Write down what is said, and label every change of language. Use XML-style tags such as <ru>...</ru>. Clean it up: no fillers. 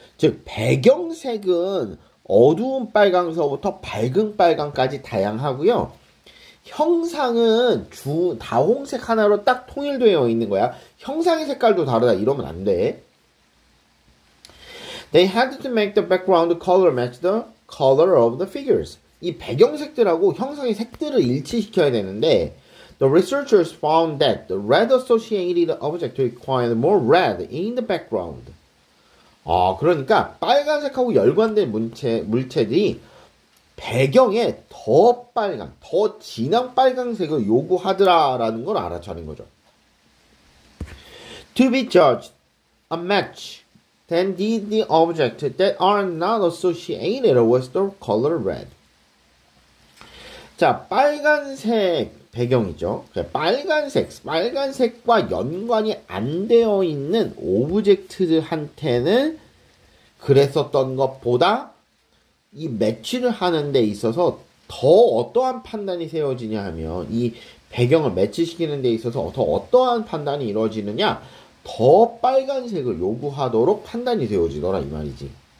<ko>즉 배경색은 어두운 빨강서부터 밝은 빨강까지 다양하고요. 형상은 다홍색 하나로 딱 통일되어 있는 거야. 형상의 색깔도 다르다 이러면 안 돼.</ko> <en>They had to make the background color match the color of the figures.</en> <ko>이 배경색들하고 형상의 색들을 일치시켜야 되는데</ko> <en>The researchers found that the red associated object required more red in the background.</en> <ko>아, 그러니까 빨간색하고 열관된 물체들이 배경에 더 빨간, 더 진한 빨간색을 요구하더라라는 걸 알아차린 거죠.</ko> <en>To be judged a match, then did the object that are not associated with the color red.</en> <ko>자, 빨간색 배경이죠. 빨간색과 연관이 안 되어 있는 오브젝트들한테는 그랬었던 것보다 이 매치를 하는 데 있어서 더 어떠한 판단이 세워지냐 하면 이 배경을 매치시키는 데 있어서 더 어떠한 판단이 이루어지느냐 더 빨간색을 요구하도록 판단이 세워지더라 이 말이지.</ko>